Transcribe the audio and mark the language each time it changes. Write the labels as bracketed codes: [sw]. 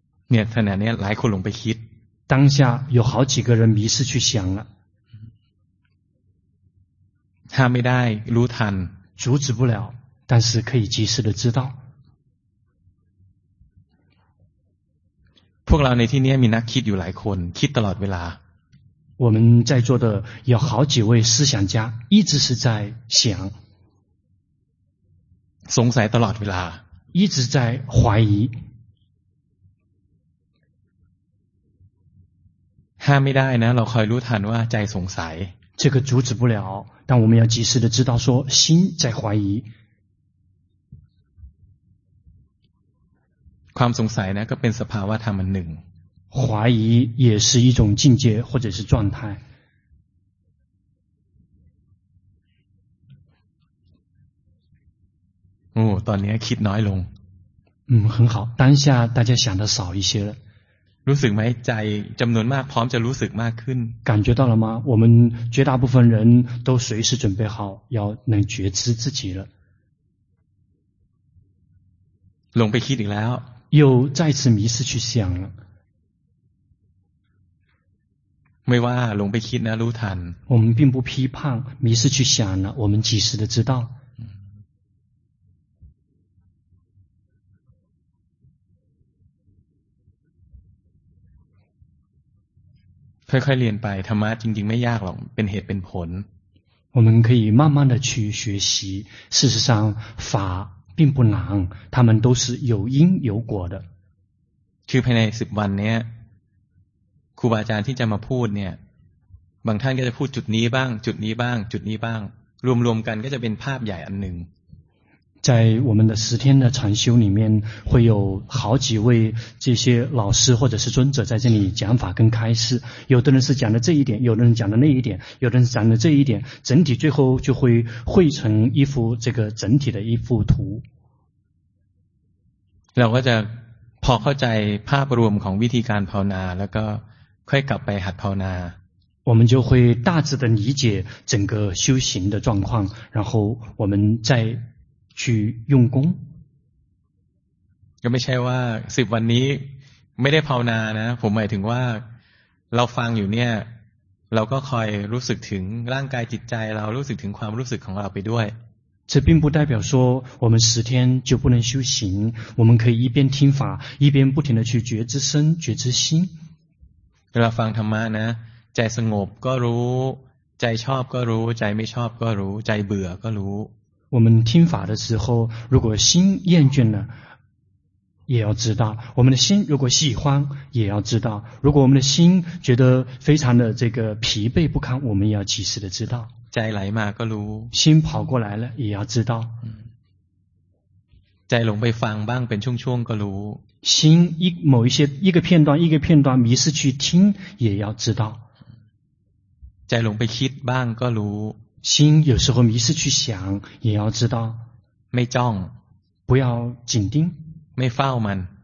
[th] เนี่ยขณะนี้หลายคนหลงไปคิด [zh] 当下有好几个人迷失去想了 [th] ห้ามไม่ได้รู้ทัน [zh] 阻止不了但是可以及时的知道 [th] พวกเราในที่นี้มีนักคิดอยู่หลายคนคิดตลอดเวลา [zh] 我们在座的有好几位思想家一直是在想 [th] สงสัยตลอดเวลา [zh] 一直在怀疑 [th] ห้ามไม่ได้นะเราคอยรู้ทันว่าใจสงสัย [zh] 这个阻止不了但我们要及时的知道说心在怀疑 [th] ความสงสัยนะก็เป็นสภาวะธรรมหนึ่ง [zh] 怀疑也是一种境界或者是状态 [th] โอ้ตอนนี้คิดน้อยลง [zh] 很好当下大家想的少一些了 [th] รู้สึกไหมใจจำนวนมากพร้อมจะรู้สึกมากขึ้น [zh] 感觉到了吗我们绝大部分人都随时准备好要能觉知自己了 [th] ลงไปคิดอีกแล้ว [zh] 又再次迷失去想了 [th] ไม่ว่าลงไปคิดนะรู้ทัน [zh] 我们并不批判迷失去想了我们及时的知道 [th] ค่อยๆเรียนไปธรรมะจริงๆไม่ยากหรอกเป็นเหตุเป็นผล [zh] 我们可以慢慢的去学习事实上法并不难他们都是有因有果的 [th] คือภายใน10วันเนี้ยครูบาอาจารย์ที่จะมาพูดเนี่ยบางท่านก็จะพูดจุดนี้บ้างจุดนี้บ้างจุดนี้บ้างรวมๆกันก็จะเป็นภาพใหญ่อันหนึ่ง [zh] 在我们的十天的禅修里面，会有好几位这些老师或者是尊者在这里讲法跟开示。有的人是讲的这一点，有的人讲的那一点，有的人讲的这一点，整体最后就会汇成一幅这个整体的一幅图。 [th] เราก็จะพอเข้าใจภาพรวมของวิธีการภาวนาแล้วก็ค่อยกลับไปหัดภาวนา [zh] 我们就会大致的理解整个修行的状况，然后我们再去用功。 [th] ก็ไม่ใช่ว่าสิบวันนี้ไม่ได้ภาวนานะผมหมายถึงว่าเราฟังอยู่เนี่ยเราก็คอยรู้สึกถึงร่างกายจิตใจเรารู้สึกถึงความรู้สึกของเราไปด้วย [zh] 这并不代表说我们十天就不能修行，我们可以一边听法，一边不停的去觉知身、觉知心。 [th] เราฟังธรรมะนะใจสงบก็รู้ใจชอบก็รู้ใจไม่ชอบก็รู้ใจเบื่อก็รู้ [zh] 我们听法的时候，如果心厌倦了，也要知道；我们的心如果喜欢，也要知道；如果我们的心觉得非常的这个疲惫不堪，我们也要及时的知道。 [th] ใจไหลมาก็รู้ [zh] 心跑过来了也要知道 [th] ใจหลงไปฟังบ้างเป็นช่วงๆก็รู้ [zh] 心一某一些一个片段一个片段迷失去听也要知道 [th] ใจหลงไปคิดบ้างก็รู้ [zh] 心有时候迷失去想也要知道 [th] ไม่จ้อง [zh] 不要紧盯 [th] ไม่เฝ้ามัน